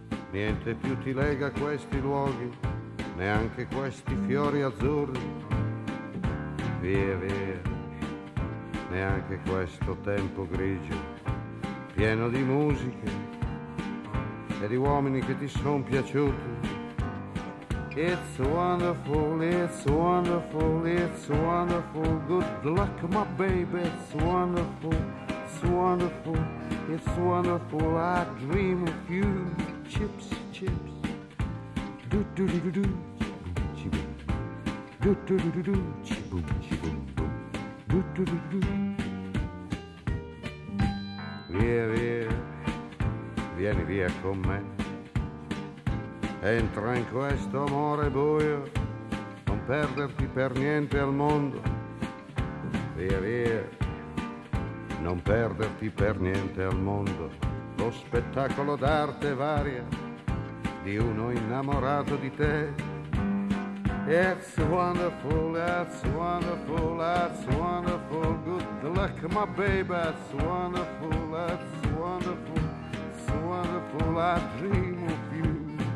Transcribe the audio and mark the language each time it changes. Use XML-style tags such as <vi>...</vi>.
<it>Niente più ti lega a questi luoghi, neanche questi fiori azzurri. Via, via, neanche questo tempo grigio, pieno di musiche e di uomini che ti sono piaciuti.</it> <en>It's wonderful, it's wonderful, it's wonderful. Good luck, my baby, it's wonderful. It's wonderful, it's wonderful. I dream of you. Chips, chips. Do-do-do-do-do. Chip-boom-chip-boom. Do-do-do-do-do. Chip-boom-chip-boom-boom.</en> <it>Do-do-do-do-do. Via, via, vieni via con me. Entra in questo amore buio, non perderti per niente al mondo. Via, via, non perderti per niente al mondo. Lo spettacolo d'arte varia di uno innamorato di te.</it> <en>It's wonderful, that's wonderful, that's wonderful. Good luck, my baby, that's wonderful, that's wonderful. It's wonderful, I dream of you.</en>